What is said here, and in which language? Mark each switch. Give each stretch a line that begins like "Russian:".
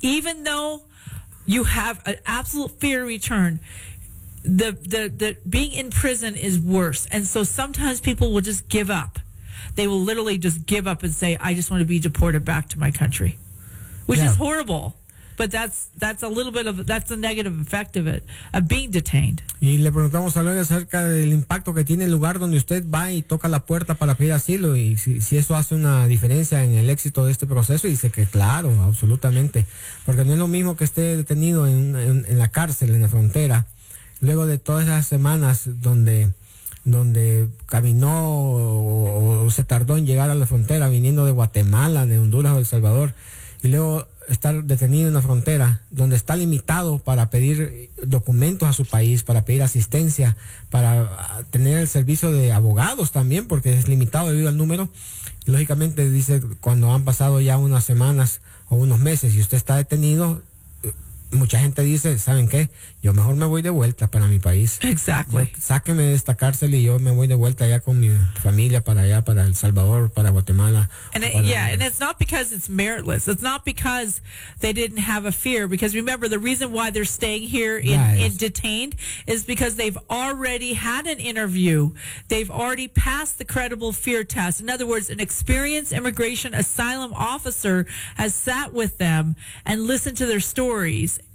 English: Even though you have an absolute fear of return, the being in prison is worse. And so sometimes people will just give up. They will literally just give up and say, I just want to be deported back to my country, which is horrible. But that's a little bit of, that's a negative effect of it, of being detained.
Spanish: Y le preguntamos a Gloria acerca del impacto que tiene el lugar donde usted va y toca la puerta para pedir asilo, y si eso hace una diferencia en el éxito de este proceso, y dice que claro, absolutamente. Porque no es lo mismo que esté detenido en la cárcel, en la frontera, luego de todas esas semanas donde caminó o se tardó en llegar a la frontera, viniendo de Guatemala, de Honduras o de El Salvador, y luego estar detenido en la frontera, donde está limitado para pedir documentos a su país, para pedir asistencia, para tener el servicio de abogados también, porque es limitado debido al número. Lógicamente, dice, cuando han pasado ya unas semanas o unos meses y usted está detenido, mucha gente dice, ¿saben qué? Yo mejor me voy de vuelta para mi país.
English: Exactly.
Spanish: Sáquenme de esta cárcel y yo me voy de vuelta allá con mi familia para allá, para El Salvador, para Guatemala.
English: And it's not because it's meritless. It's not because they didn't have a fear. Because remember, the reason why they're staying here in detained is because they've already had an interview. They've already passed the credible fear test. In other words, an experienced immigration asylum officer has sat with them and listened to their stories.